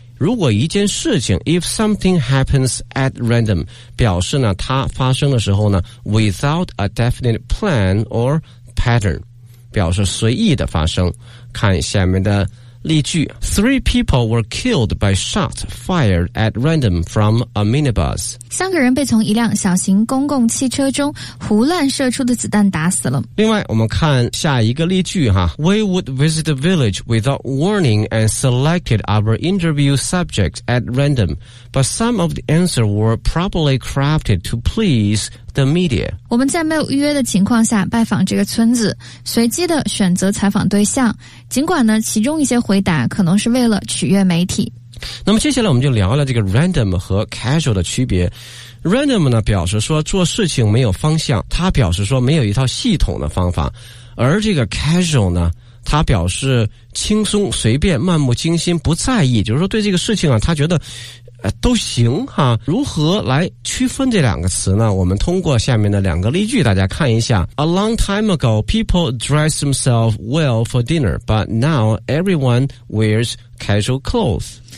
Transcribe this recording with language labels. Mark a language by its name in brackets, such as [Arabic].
[Chinese] 如果一件事情 [English] if something happens at random [Chinese] 表示呢它发生的时候呢 [English] without a definite plan or pattern [Chinese] 表示随意的发生。看下面的例句 [English] Three people were killed by shot fired at random from a minibus [Chinese] 三个人被从一辆小型公共汽车中胡乱射出的子弹打死了。另外我们看下一个例句哈 [English] We would visit the village without warning and selected our interview subjects at random but some of the answers were properly crafted to please the media [Chinese] 我们在没有预约的情况下拜访这个村子随机的选择采访对象尽管呢其中一些回答可能是为了取悦媒体那么接下来我们就聊聊这个 random 和 casual 的区别 random 呢表示说做事情没有方向它表示说没有一套系统的方法而这个 casual 呢它表示轻松随便漫不经心不在意就是说对这个事情啊它觉得都行哈、啊、如何来区分这两个词呢我们通过下面的两个例句大家看一下 [English] A long time ago, people dressed themselves well for dinner, but now everyone wears casual clothes.